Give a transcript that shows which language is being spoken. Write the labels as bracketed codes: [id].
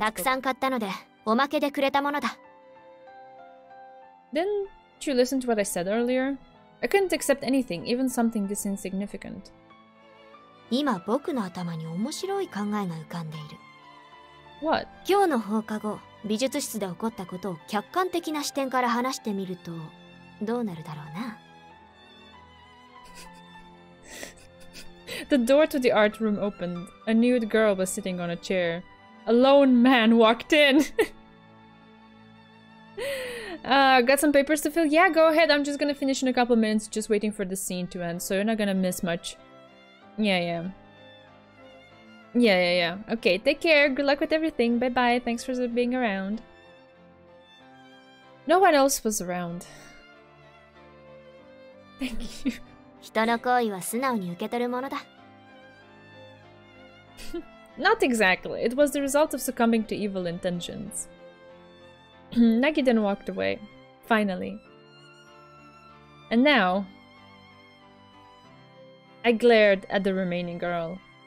[ja] たくさん買ったので、おまけでくれたものだ。 [en] Didn't you listen to what I said earlier? I couldn't accept anything, even something this insignificant. [ja] 今僕の頭に面白い考えが浮かんでいる。 [en] What? [ja] 今日の放課後、美術室で起こったことを客観的な視点から話してみるとどうなるだろうな。 [en] The door to the art room opened. A nude girl was sitting on a chair. A lone man walked in. Got some papers to fill. Yeah, go ahead. I'm just gonna finish in a couple minutes, just waiting for the scene to end, so you're not gonna miss much. Yeah. Okay, take care. Good luck with everything. Bye-bye. Thanks for being around. No one else was around. Thank you. [ja] 人の行為は素直に受け取るものだ。 [en] Not exactly. It was the result of succumbing to evil intentions. Nagiden walked away. Finally. And now... I glared at the remaining girl.